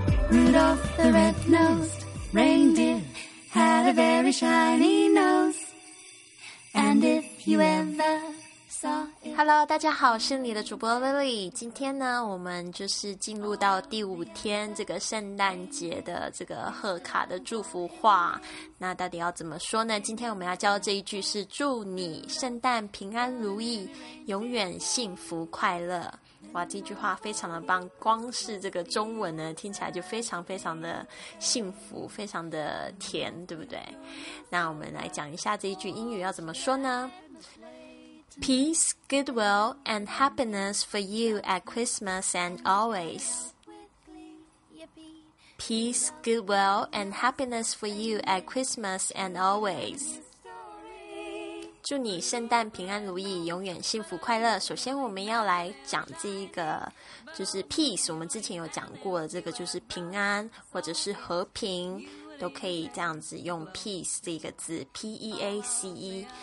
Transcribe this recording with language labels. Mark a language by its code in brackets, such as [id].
[en] Rudolph the red-nosed reindeer had a very shiny nose, and if you ever saw it. [zh] Hello, 大家好，是你的主播 Lily。今天呢，我们就是进入到第五天这个圣诞节的这个贺卡的祝福话。那到底要怎么说呢？今天我们要教的这一句是祝你圣诞平安如意，永远幸福快乐。哇，这句话非常的棒，光是这个中文呢听起来就非常非常的幸福，非常的甜，对不对？那我们来讲一下这一句英语要怎么说呢？ [en] Peace, goodwill and happiness for you at Christmas and always. Peace, goodwill and happiness for you at Christmas and always. [zh] 祝你圣诞平安如意，永远幸福快乐。首先我们要来讲这一个就是 peace， 我们之前有讲过的，这个就是平安或者是和平，都可以这样子用 peace 这个字 P-E-A-C-E。